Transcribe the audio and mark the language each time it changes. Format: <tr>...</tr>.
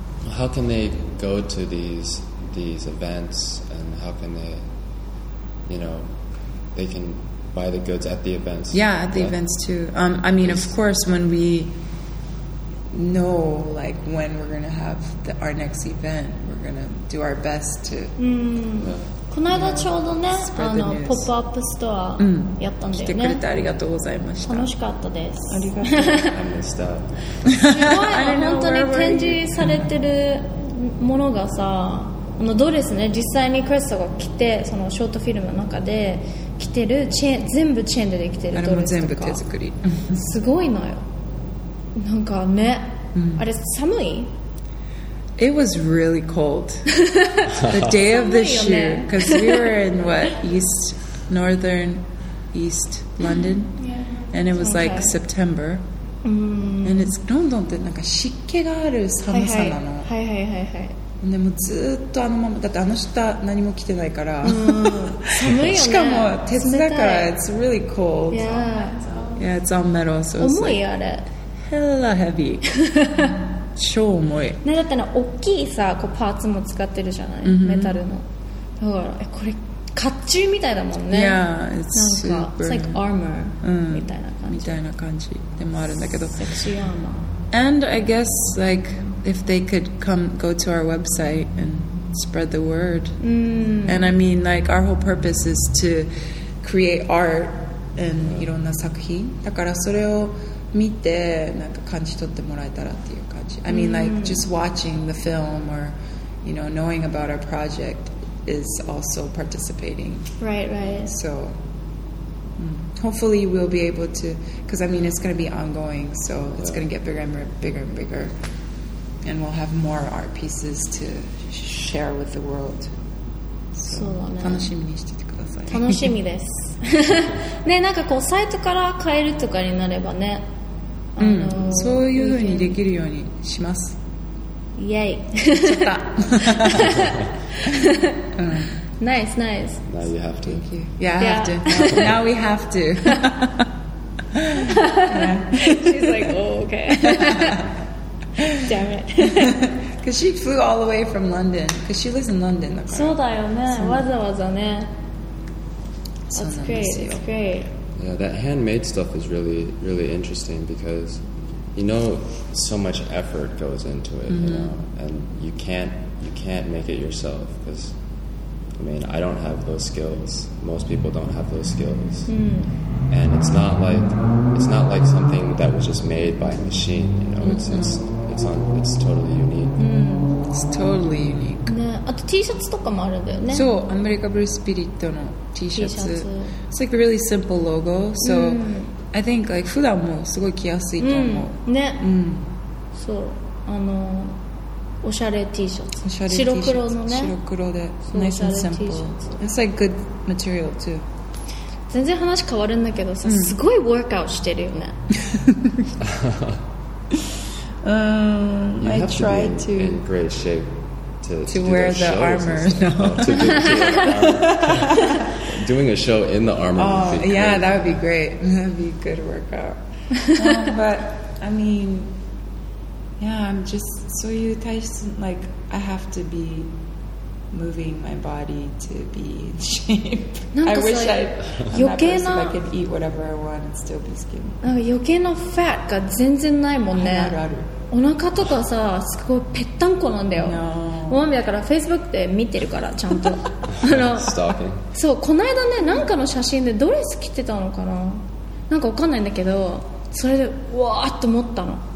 <en>How can they go to these events, and how can they, you know, they can buy the goods at the events? Yeah, at the events, too. I mean, of course, when we... know like when we're gonna have the, our next event, we're gonna do our best to、</en> <ja>この間ちょうどね、あのポップアップストアやったんだよね、来てくれてありがとうございました、楽しかったです、ありがとうございました、すごい本当に展示されてるものがさ、あのドレスね、実際にクレストが着て、そのショートフィルムの中で着てるチェーン、全部チェーンでできてるドレスとか、あれも全部手作りすごいのよ、なんかね、あれ寒い？</ja> <en>It was really cold. The day of the shoot, because we were in what, East, Northern, East London, and it was like September. And it's</en> <ja>どんどんってなんか湿気がある寒さなの。はいはいはいはい。でもずっとあのままだって、あの下何も着てないから。寒いよね。しかも鉄だから、</ja> <en>it's really cold. Yeah, it's all metal, so it's like,</en> <ja>重いあれ。</ja> <en>Hella heavy.</en> <ja>超重い。ね、だってね、大きいさ、こうパーツも使ってるじゃない、mm-hmm. メタルの。だから、え、これ、甲冑みたいだもんね。</ja> <en>Yeah, it's</en> <ja>なんか</ja> <en>super. It's like armor、</en> <ja>みたいな感じ。みたいな感じでもあるんだけど。セクシーアーマー。</ja> <en>And I guess, like, if they could come, go to our website and spread the word.、And I mean, like, our whole purpose is to create art and</en> <ja>いろんな作品。だからそれを見てなんか感じ取ってもらえたらっていう感じ。</ja> <en>I mean, like, just watching the film or, you know, knowing about our project is also participating. Right, right. So, hopefully we'll be able to, because, I mean, it's going to be ongoing, so it's going to get bigger and bigger and bigger, and we'll have more art pieces to share with the world. So,</en> <ja>そうだね。楽しみにしててください。楽しみです。ね、なんかこう、サイトから買えるとかになればね、そういう風にできるようにします。イエイ。ちょっと。ナイスナイス。</ja> <en>Now you have to. Thank you. Yeah, I have to. Now we have to. She's like, oh, okay. Damn it. Because she flew all the way from London. Because she lives in London.</en> <ja>そうだよね。わざわざね。</ja> <en>That's great. It's great. Yeah, that handmade stuff is really, really interesting because, you know, so much effort goes into it,、you know, and you can't make it yourself because, I mean, I don't have those skills. Most people don't have those skills.、And it's not like something that was just made by a machine, you know,、it's totally unique.、 It's totally unique.</en> <ja>あと T シャツとかもあるんだよね。そう、アメリカブルースピリットの T シャツ。</ja> <en>It's like a really simple logo, so、I think like</en> <ja>普段もすごい着やすいと思う。ね。そう、あのおしゃれ T シャツ。おしゃれ T シャツ。白黒のね。白黒で、</ja> <en>nice and simple. It's like good material too.</en> <ja>全然話変わるんだけどさ、すごいワークアウトしてるよね。</ja> <en>I try to. In great shape. To wear the armor, no. Doing a show in the armor. Oh, would be yeah, great. That would be great. That would be a good workout. but I mean, yeah, I'm just so you guys like I have to be moving my body to be in shape. I wish I was a person that could eat whatever I want and still be skinny.</en> <ja>なんか余計なファットが全然ないもんね。あるある。お腹とかさ、すごいぺったんこなんだよ。</ja> <en>No.</en> <ja>もうだから Facebook で見てるから、ちゃんと。</ja> <en>Stalking.</en> <ja>そう、この間ね、なんかの写真でドレス着てたのかな。なんかわかんないんだけど、それでうわーって思ったの。</ja>